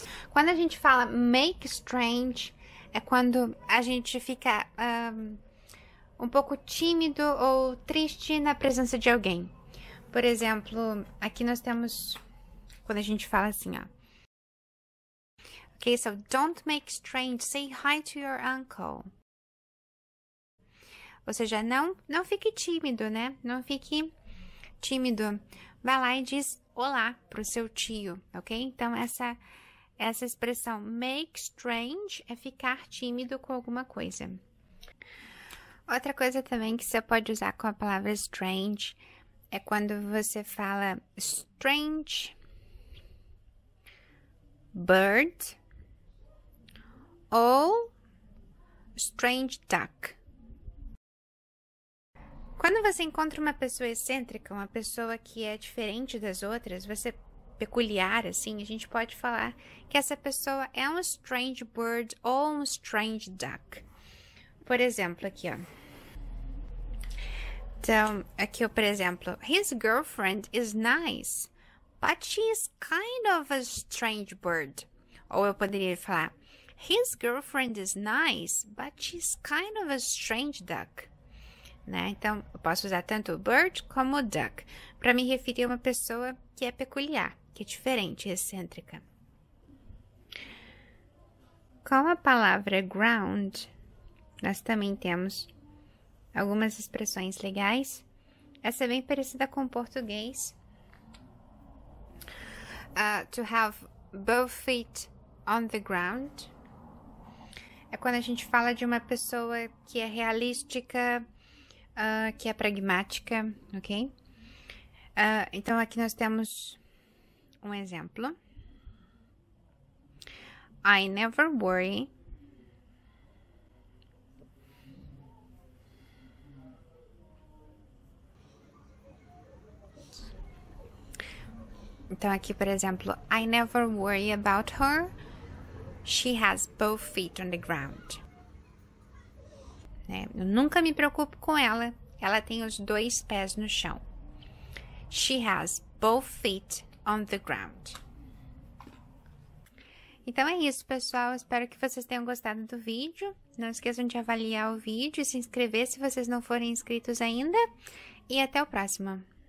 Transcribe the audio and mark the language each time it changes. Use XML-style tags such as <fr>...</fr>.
<pt>Quando a gente fala make strange, é quando a gente fica um pouco tímido ou triste na presença de alguém. Por exemplo, aqui nós temos, quando a gente fala assim, ó.</pt> <en>Ok, so don't make strange, say hi to your uncle.</en> <pt>Ou seja, não fique tímido, né? Não fique tímido. Vai lá e diz olá pro seu tio, ok? Então, essa expressão make strange é ficar tímido com alguma coisa. Outra coisa também que você pode usar com a palavra strange é quando você fala strange bird ou strange duck. Quando você encontra uma pessoa excêntrica, uma pessoa que é diferente das outras, você peculiar, assim, a gente pode falar que essa pessoa é um strange bird ou um strange duck. Por exemplo, aqui, ó. Então, aqui, por exemplo,</pt> <en>his girlfriend is nice, but she's kind of a strange bird.</en> <pt>Ou eu poderia falar,</pt> <en>his girlfriend is nice, but she's kind of a strange duck.</en> <pt>Né? Então, eu posso usar tanto o bird como o duck para me referir a uma pessoa que é peculiar, que é diferente, excêntrica. Com a palavra ground, nós também temos algumas expressões legais. Essa é bem parecida com o português.</pt> <en>To have both feet on the ground.</en> <pt>É quando a gente fala de uma pessoa que é realística, que é pragmática, ok? Então, aqui nós temos um exemplo.</pt> <en>I never worry</en> <pt>Então, aqui, por exemplo,</pt> <en>I never worry about her. She has both feet on the ground.</en> <pt>Eu nunca me preocupo com ela. Ela tem os dois pés no chão.</pt> <en>She has both feet on the ground.</en> <pt>Então é isso, pessoal. Espero que vocês tenham gostado do vídeo. Não esqueçam de avaliar o vídeo e se inscrever se vocês não forem inscritos ainda. E até o próximo.</pt>